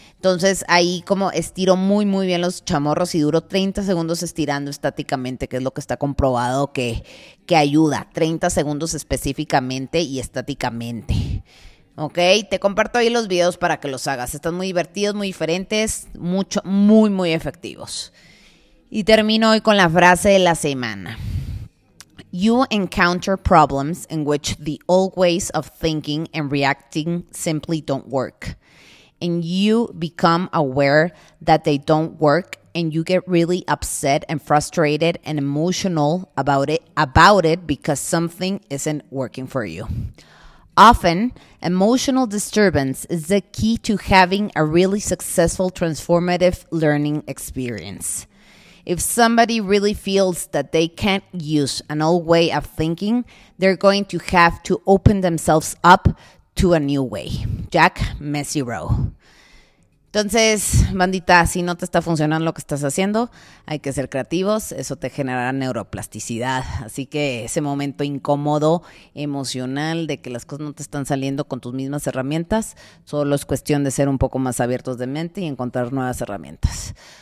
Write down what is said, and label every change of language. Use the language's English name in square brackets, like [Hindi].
[Spanish] Entonces ahí como estiro muy, muy bien los chamorros y duro 30 segundos estirando estáticamente, que es lo que está comprobado que ayuda, 30 segundos específicamente y estáticamente. Ok, te comparto ahí los videos para que los hagas. Están muy divertidos, muy diferentes, mucho, muy, muy efectivos. Y termino hoy con la frase de la semana. [English] You encounter problems in which the old ways of thinking and reacting simply don't work. And you become aware that they don't work and you get really upset and frustrated and emotional about it because something isn't working for you. Often, emotional disturbance is the key to having a really successful transformative learning experience. If somebody really feels that they can't use an old way of thinking, they're going to have to open themselves up to a new way. Jack Messiro. [Spanish] Entonces, bandita, si no te está funcionando lo que estás haciendo, hay que ser creativos. Eso te generará neuroplasticidad. Así que ese momento incómodo, emocional, de que las cosas no te están saliendo con tus mismas herramientas, solo es cuestión de ser un poco más abiertos de mente y encontrar nuevas herramientas.